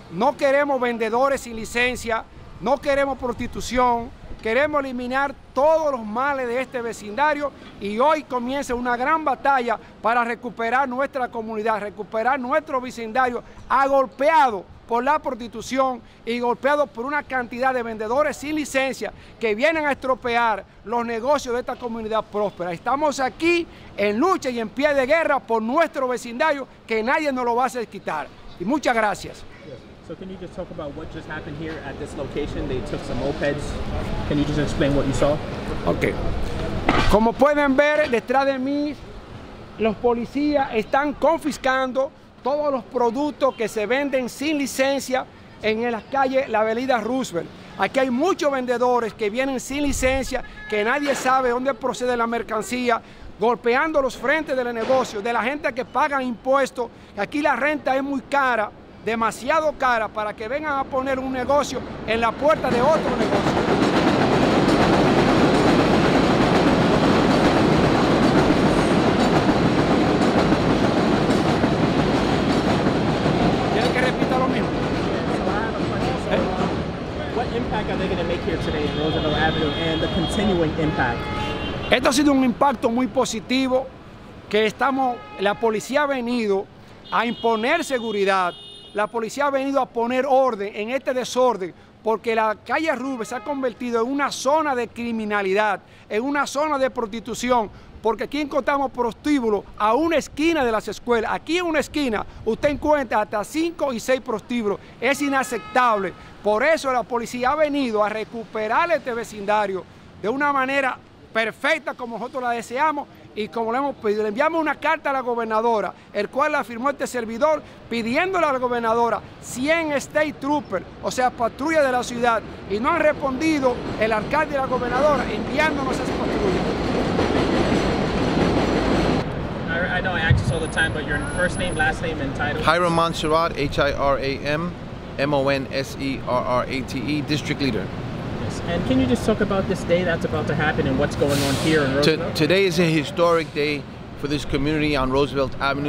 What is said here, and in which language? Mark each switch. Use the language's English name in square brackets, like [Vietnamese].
[Spanish] No queremos vendedores sin licencia. No queremos prostitución, queremos eliminar todos los males de este vecindario y hoy comienza una gran batalla para recuperar nuestra comunidad, recuperar nuestro vecindario agolpeado por la prostitución y golpeado por una cantidad de vendedores sin licencia que vienen a estropear los negocios de esta comunidad próspera. Estamos aquí en lucha y en pie de guerra por nuestro vecindario que nadie nos lo va a hacer quitar. Y muchas gracias. [English] So can you just talk about what just happened here at this location? They took some mopeds. Can you just explain what you saw? Okay. [Spanish] Como pueden ver, detrás de mí, los policías están confiscando todos los productos que se venden sin licencia en las calles, la avenida Roosevelt. Aquí hay muchos vendedores que vienen sin licencia, que nadie sabe dónde procede la mercancía, golpeando los frentes del negocio, de la gente que paga impuestos. Aquí la renta es muy cara, demasiado cara para que vengan a poner un negocio en la puerta de otro negocio. ¿Quieren que repita lo mismo? [English] What impact are they going to make here today in Roosevelt Avenue and the continuing impact? [Spanish] Esto ha sido un impacto muy positivo que estamos, la policía ha venido a imponer seguridad. La policía ha venido a poner orden en este desorden porque la calle Rubén se ha convertido en una zona de criminalidad, en una zona de prostitución, porque aquí encontramos prostíbulos a una esquina de las escuelas. Aquí en una esquina usted encuentra hasta 5 y 6 prostíbulos. Es inaceptable. Por eso la policía ha venido a recuperar este vecindario de una manera perfecta como nosotros la deseamos. Y como le hemos pedido, le enviamos una carta a la gobernadora, el cual la firmó este servidor, pidiéndole a la gobernadora 100 State Troopers, o sea, patrullas de la ciudad, y no han respondido el alcalde y la gobernadora enviándonos esas patrullas. [English] I know I ask this all the time, but your first name, last name, and title? Hiram Monserrate, HIRAM MONSERRATE, district leader. And can you just talk about this day that's about to happen and what's going on here in Roosevelt? Today is a historic day for this community on Roosevelt Avenue.